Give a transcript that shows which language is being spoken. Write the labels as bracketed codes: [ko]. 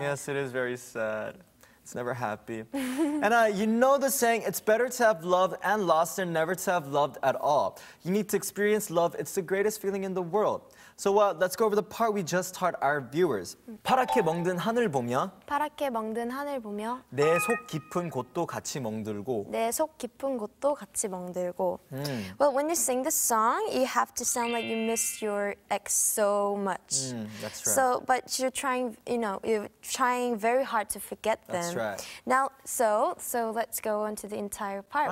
[en] Yes, it is very sad. It's never happy. And you know the saying, it's better to have loved and lost than never to have loved at all. You need to experience love. It's the greatest feeling in the world. So let's go over the part we just taught our viewers. [ko] 파랗게 멍든 하늘 보며 파랗게 멍든 하늘 보며 내 속 깊은 곳도 같이 멍들고 내 속 깊은 곳도 같이 멍들고. [en] Well, when you sing this song, you have to sound like you miss your ex so much. Mm, that's right. So, but you're trying very hard to forget them. That's right. Now, so let's go on to the entire part.